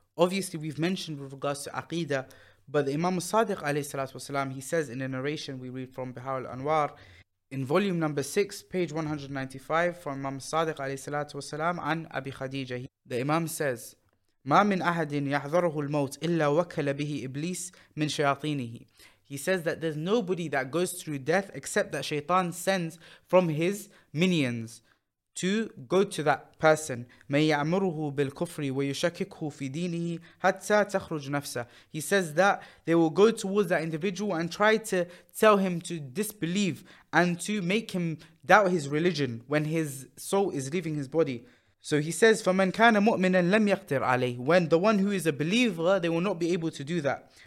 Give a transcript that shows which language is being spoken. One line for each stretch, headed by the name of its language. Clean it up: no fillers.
English: Obviously, we've mentioned with regards to aqidah, but the Imam Sadiq alayhi salatu wasalam, he says in a narration we read from Bihar al-Anwar in volume number 6, page 195, from Imam Sadiq alayhi salatu wasalam and Abi Khadija, the Imam says,
Arabic: ما من أحد يحذره الموت إلا وكل به إبليس من شياطينه.
English: He says that there's nobody that goes through death except that Shaytan sends from his minions to go to that person.
Arabic: من يأمره بالكفر ويشككه في دينه حتى تخرج نفسه.
English: He says that they will go towards that individual and try to tell him to disbelieve and to make him doubt his religion when his soul is leaving his body. So he says,
Arabic: فَمَنْ كَانَ مُؤْمِنًا لَمْ يَقْدِرْ عَلَيْهِ.
English: When the one who is a believer, they will not be able to do that.